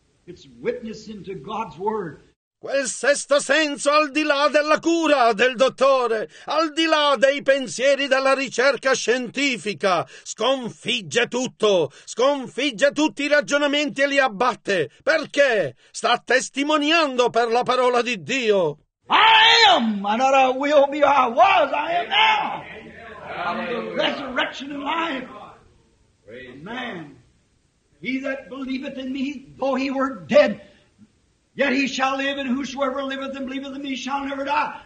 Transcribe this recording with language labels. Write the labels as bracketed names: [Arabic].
[English] It's witnessing to God's word. [Italian] Quel sesto senso al di là della cura del dottore, al di là dei pensieri della ricerca scientifica, sconfigge tutto, sconfigge tutti i ragionamenti e li abbatte. Perché? Sta testimoniando per la parola di Dio. [English] I am, I not I will be, I was, I am now. I'm the resurrection and life. A man, he that believeth in me, though he were dead, yet he shall live, and whosoever liveth and believeth in me shall never die.